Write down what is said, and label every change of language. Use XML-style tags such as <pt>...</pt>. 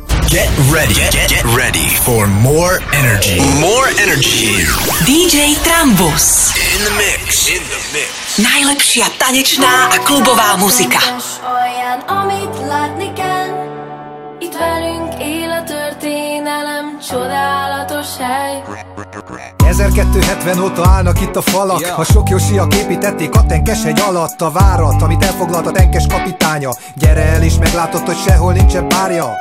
<en>Get ready for more energy. More energy. DJ Trambus. In the mix. In the mix.</en> <sk>Najlepšia tanečná a klubová muzika.</sk> <hu>Olyan, amit látni kell. Itt velünk él a történelem, csodálatos hely. 1270 óta állnak itt a falak, a sokjosiak építették a tenkes egy alatt. A várat, amit elfoglalt a tenkes kapitánya, gyere el és meglátod, hogy sehol nincsen párja.</hu>